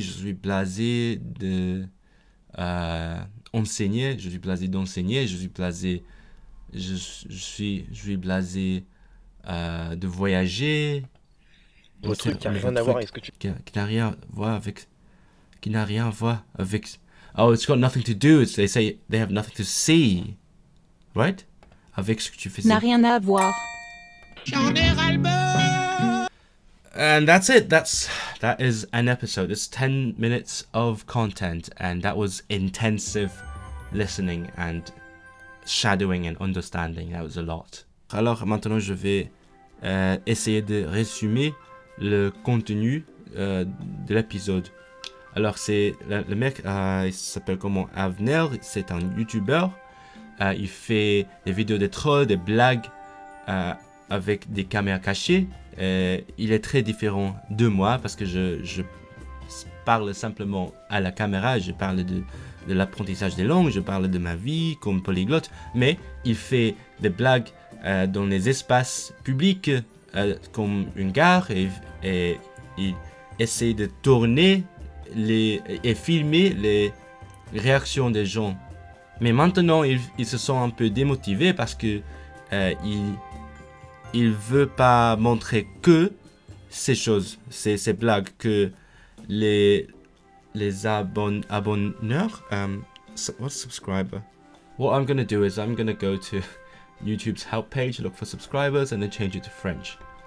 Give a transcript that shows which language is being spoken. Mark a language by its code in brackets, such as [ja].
[fr] Je suis blasé de enseigner. Je suis blasé d'enseigner. Je suis blasé. Je suis blasé de voyager. Le truc qui n'a rien à voir. Est-ce que tu qui n'a rien à voir avec qui n'a rien à voir avec. [en] Oh, it's got nothing to do. It's, they say they have nothing to see, right? [fr] Avec ce que tu faisais. N'a rien à voir. J'en ai ras-le-bol. [en] And that's it. That is an episode. It's 10 minutes of content, and that was intensive listening and shadowing and understanding. That was a lot. [fr] Alors maintenant, je vais essayer de résumer le contenu de l'épisode. Alors c'est le mec, il s'appelle comment, Avner, c'est un YouTuber. Il fait des vidéos de trolls, des blagues avec des caméras cachées. Et il est très différent de moi parce que je parle simplement à la caméra, je parle de l'apprentissage des langues, je parle de ma vie comme polyglotte. Mais il fait des blagues dans les espaces publics comme une gare et il essaie de tourner et filmer les réactions des gens. Mais maintenant, il se sent un peu démotivé parce que il veut pas montrer que ces choses, ces blagues que les abonneurs, [en] what's subscriber? What I'm gonna do is I'm gonna go to YouTube's help page, look for subscribers, and then change it to French.